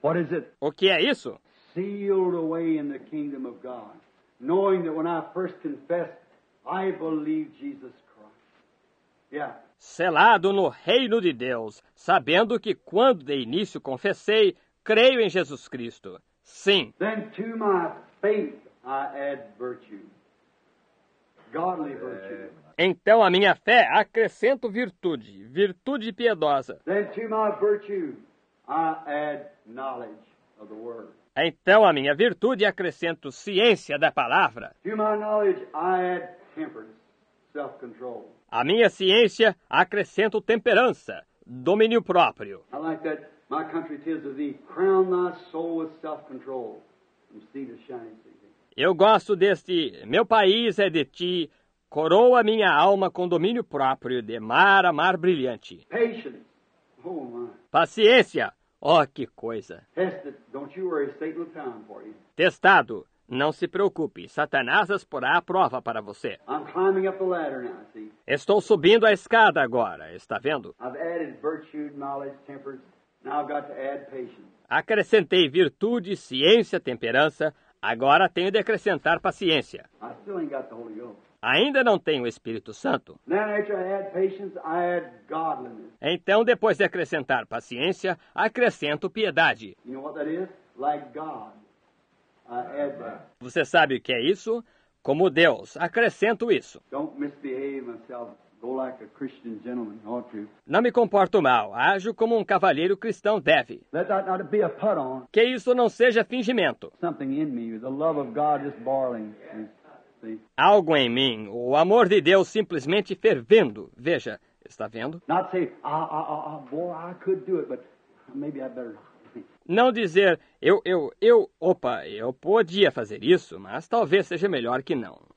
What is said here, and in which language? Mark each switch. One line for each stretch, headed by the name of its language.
English: What is it?
Portuguese: O que é isso?
English: Sealed away in the kingdom of God, knowing that when I first confessed, I believe Jesus Christ. Yeah.
Portuguese: Selado no reino de Deus, sabendo que quando de início confessei, creio em Jesus Cristo. Sim.
English: Then to my faith I add virtue. Godly virtue.
Portuguese: Então a minha fé acrescento virtude, virtude piedosa.
English: Then to my virtue I add knowledge of the word.
Portuguese: Então, a minha virtude acrescento ciência da palavra.
English: To my knowledge, I add temperance, self-control.
Portuguese: A minha ciência acrescento temperança, domínio próprio.
English: I like that my country tells of thee, crown thy soul with self-control, and see the shining city.
Portuguese: Eu gosto deste, meu país é de ti, coroa minha alma com domínio próprio, de mar a mar brilhante.
English: Patience, oh my.
Portuguese: Paciência. Oh, que coisa.
English: Tested. Don't you worry. Satan will come for you.
Portuguese: Testado. Não se preocupe. Satanás as porá à prova para você.
English: I'm climbing up the ladder now, see?
Portuguese: Estou subindo a escada agora. Está vendo?
English: I've added virtue, knowledge, temperance. Now I've got to add patience.
Portuguese: Acrescentei virtude, ciência, temperança. Agora tenho de acrescentar paciência.
English: I still ain't got the Holy Ghost.
Portuguese: Ainda não tenho o Espírito Santo.
English: Now, after I add patience, I add godliness.
Portuguese: Então, depois de acrescentar paciência, acrescento piedade.
English: You know what that is? Like God. I add that.
Portuguese: Você sabe o que é isso? Como Deus, acrescento isso.
English: Don't misbehave myself. Go like a Christian gentleman ought to.
Portuguese: Não me comporto mal. Ajo como um cavalheiro cristão deve.
English: Let that not be a put on.
Portuguese: Que isso não seja fingimento.
English: Something in me, the love of God is boiling. Yeah.
Portuguese: Algo em mim, o amor de Deus simplesmente fervendo. Veja, está vendo?
English: Not say, boy, I could do it, but maybe I better not.
Portuguese: Não dizer, opa, eu podia fazer isso, mas talvez seja melhor que não.